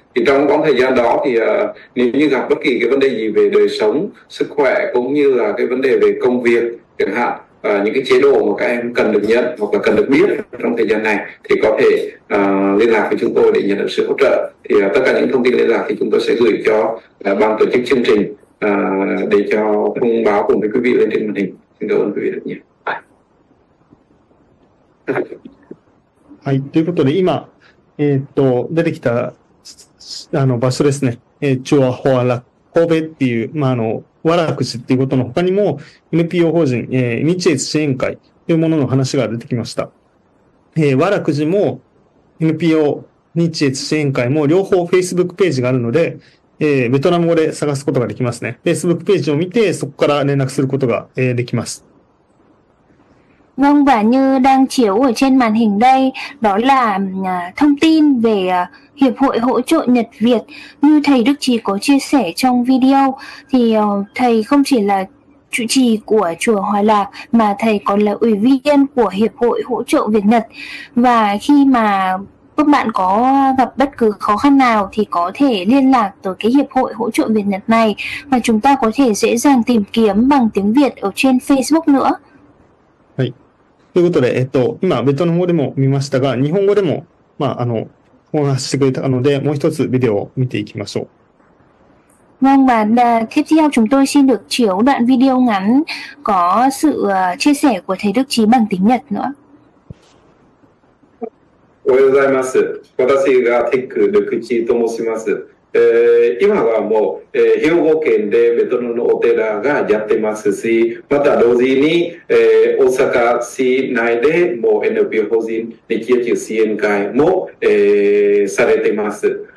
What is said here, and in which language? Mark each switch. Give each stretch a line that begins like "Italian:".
Vietnamese: Thì trong khoảng thời gian đó thì nếu như gặp bất kỳ cái vấn đề gì về đời sống, sức khỏe cũng như là cái vấn đề về công việc chẳng hạn, những cái chế độ mà các em cần được nhận hoặc là cần được biết trong thời gian này thì có thể liên lạc với chúng tôi để nhận được sự hỗ trợ. Thì tất cả những thông tin liên lạc thì chúng tôi sẽ gửi cho ban tổ chức chương trình để cho thông báo cùng với quý vị lên trên màn hình. Xin cảm ơn quý vị rất nhiều.
Japanese: はい、ということで今出てきたあの場所ですね、チュアホアラ神戸っていう、まあ、あの、和楽市っていうことの他にも、NPO 法人、日越支援会というものの話が出てきました。和楽市も、NPO 日越支援会も、両方 Facebook ページがあるので、ベトナム語で探すことができますね。 Facebook ページを見て、そこから連絡することが、できます。
Vietnamese: Vâng, và như đang chiếu ở trên màn hình đây, đó là thông tin về Hiệp hội Hỗ trợ Nhật Việt như thầy Đức Trí có chia sẻ trong video. Thì thầy không chỉ là trụ trì của Chùa Hòa Lạc mà thầy còn là ủy viên của Hiệp hội Hỗ trợ Việt Nhật. Và khi mà các bạn có gặp bất cứ khó khăn nào thì có thể liên lạc tới cái Hiệp hội Hỗ trợ Việt Nhật này, và chúng ta có thể dễ dàng tìm kiếm bằng tiếng Việt ở trên Facebook nữa.
Japanese: ということで、今、ベトナム語でも見ましたが、日本語でも、まあ、お話ししてくれたので、もう一つビデオを見ていきましょう。
Vietnamese: Vâng, và tiếp theo chúng tôi xin được chiếu đoạn video ngắn có sự chia sẻ của Thầy Đức Trí bằng tiếng Nhật nữa.
Japanese: おはようございます。私がテック・ルクチーと申します。今はもう、兵庫県でベトナムのお寺がやってますし、また同時に、大阪市内でもう NPO 法人日野中支援会も、されてます。